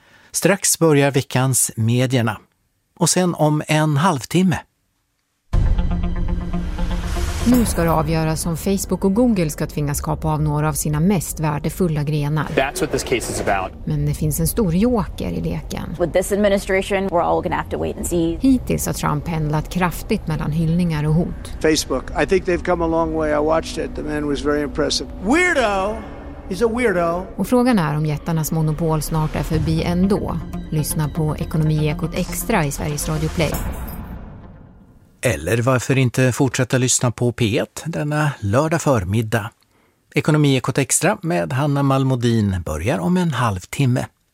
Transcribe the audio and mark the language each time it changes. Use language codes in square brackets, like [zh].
[sv] Strax börjar veckans medierna, och sen om en halvtimme. Nu ska det avgöras om Facebook och Google ska tvingas kapa av några av sina mest värdefulla grenar. [en] That's what this case is about. [sv] Men det finns en stor joker i leken. [en] With this administration, we're all gonna have to wait and see. [sv] Hittills har Trump pendlat kraftigt mellan hyllningar och hot. [en] Facebook, I think they've come a long way. I watched it. The man was very impressive. Weirdo! He's a weirdo. [sv] Och frågan är om jättarnas monopol snart är förbi ändå. Lyssna på Ekonomiekot Extra i Sveriges Radio Play. Eller varför inte fortsätta lyssna på P1 denna lördag förmiddag? Ekonomiekot Extra med Hanna Malmodin börjar om en halvtimme.